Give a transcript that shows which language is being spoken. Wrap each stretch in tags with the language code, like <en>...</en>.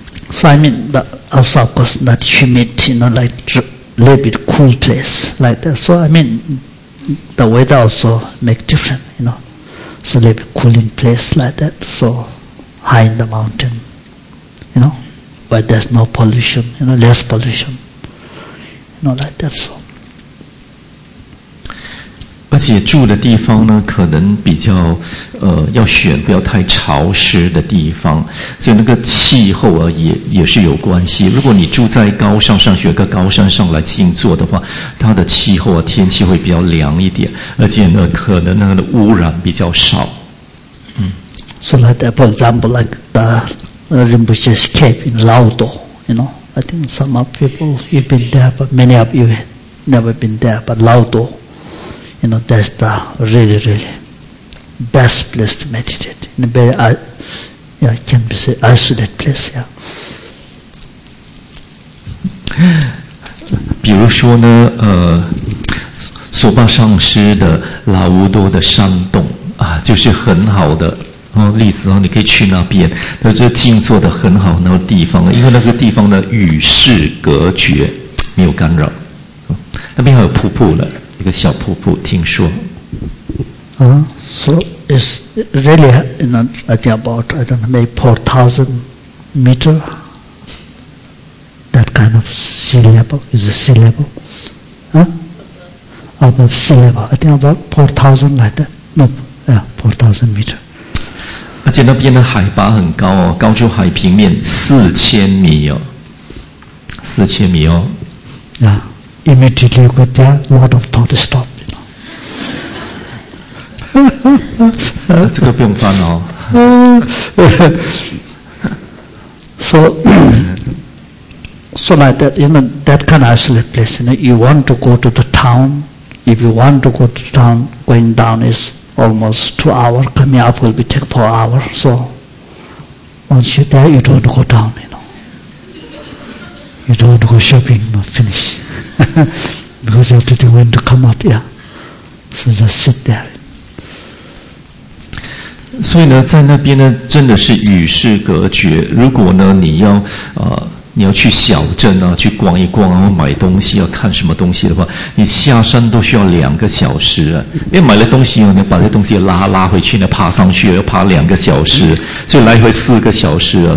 <en>So I mean, but also of course not humid, you know, like a little bit cool place like that. So I mean, the weather also make difference, you know. So a little bit cooling place like that. So high in the mountain, you know, where there's no pollution, you know, less pollution. Not like that, so.</en> <zh>而且住的地方呢，可能比较要选不要太潮湿的地方，所以那个气候啊也是有关系。如果你住在高山上，选个高山上来静坐的话，它的气候啊天气会比较凉一点，而且呢可能那个污染比较少。</zh> <en>So like that, for example, like the Rinpoche's cave in Lao-do, you know. I think some of people, you've been there, but many of you have never been there. But Lao-do, you know, that's the really, really best place to meditate. In a very, can be said, isolated place, yeah.</en> <zh>比如说呢，索巴上师的Lao-do的山洞啊，就是很好的。例子，你可以去那边，那就静坐的很好那个地方，因为那个地方呢与世隔绝，没有干扰，那边还有瀑布了。一个小瀑布听说。</zh> <en>So it's really, you know, I think about, I don't know, maybe 4,000 meters. That kind of sea level, is a sea level. Above sea level, I think about 4,000 like that. No, yeah, 4,000 meters.</en> <zh>而且那边的海拔很高哦，高出海平面4000米哦，四千米哦。</zh> <en>Yeah, immediately you go there, a lot of thought to stop. You know.</en> <zh>这个不用翻哦。</zh> <en>So like that, you know, that kind of isolated place. You know, you want to go to the town. If you want to go to the town, going down is almost 2 hours. Coming up will be take 4 hours. So once you're there, you don't go down. You know, you don't go shopping. But finish because you have to do when to come up. Yeah, so just sit there.</en> <zh>所以呢，在那边呢，真的是与世隔绝。如果呢，你要你要去小镇啊，去逛一逛啊，买东西啊，看什么东西的话，你下山都需要2个小时啊。因为买了东西啊，你把这东西拉回去呢，爬上去要爬2个小时，所以来回4个小时啊。</zh>